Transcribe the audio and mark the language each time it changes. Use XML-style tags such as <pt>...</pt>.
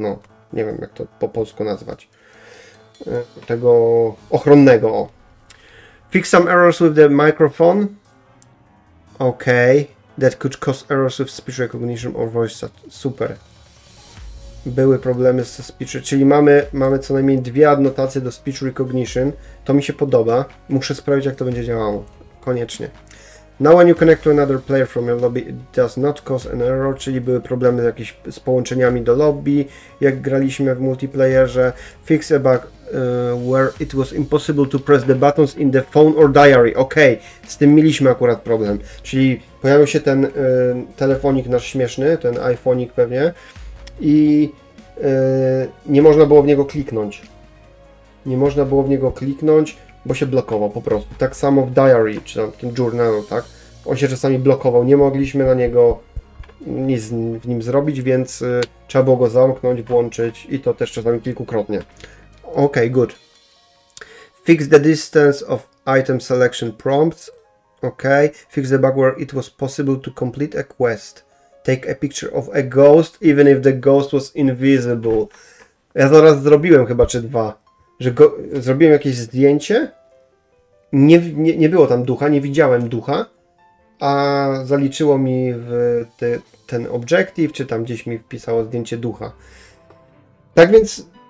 <pl>No, nie wiem jak to po polsku nazwać. Tego ochronnego.</pl> <en>Fix some errors with the microphone. Ok. That could cause errors with speech recognition or voice chat.</en> <pl>Super. Były problemy ze speech. Czyli mamy co najmniej dwie adnotacje do speech recognition. To mi się podoba. Muszę sprawdzić, jak to będzie działało. Koniecznie.</pl> <en>Now when you connect to another player from your lobby, it does not cause an error.</en> <pl>Czyli były problemy z połączeniami do lobby, jak graliśmy w multiplayerze.</pl> <en>Fix a bug where it was impossible to press the buttons in the phone or diary.</en> <pl>Ok, z tym mieliśmy akurat problem. Czyli pojawił się ten telefonik nasz śmieszny, ten iPhonik pewnie, i nie można było w niego kliknąć. Nie można było w niego kliknąć, bo się blokował po prostu. Tak samo w diary, czy tam w tym journalu, tak? On się czasami blokował, nie mogliśmy na niego nic w nim zrobić, więc trzeba było go zamknąć, włączyć i to też czasami kilkukrotnie.</pl> <en>Ok, good. Fix the distance of item selection prompts. Ok. Fix the bug where it was possible to complete a quest. Take a picture of a ghost, even if the ghost was invisible.</en> <pl>Ja zaraz zrobiłem chyba, czy dwa. Że zrobiłem jakieś zdjęcie. Nie było tam ducha, nie widziałem ducha. A zaliczyło mi w ten objective, czy tam gdzieś mi wpisało zdjęcie ducha. Tak więc...</pl>